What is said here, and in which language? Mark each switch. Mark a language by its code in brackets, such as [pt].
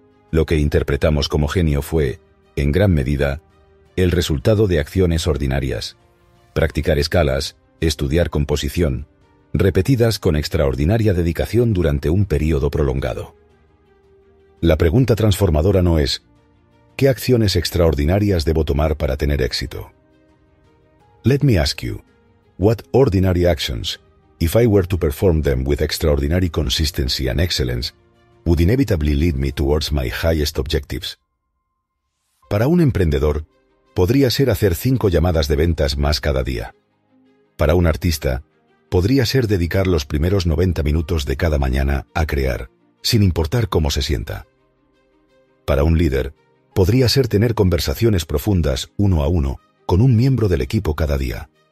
[es] Lo que interpretamos como genio fue, en gran medida, el resultado de acciones ordinarias. Practicar escalas, estudiar composición, repetidas con extraordinaria dedicación durante un período prolongado. La pregunta transformadora no es, ¿qué acciones extraordinarias debo tomar para tener éxito? [en] Let me ask you, what ordinary actions, if I were to perform them with extraordinary consistency and excellence, would inevitably lead me towards my highest objectives? [es] Para un emprendedor, podría ser hacer 5 llamadas de ventas más cada día. Para un artista, podría ser dedicar los primeros 90 minutos de cada mañana a crear, sin importar cómo se sienta. Para un líder, podría ser tener conversaciones profundas, uno a uno, con un miembro del equipo cada día.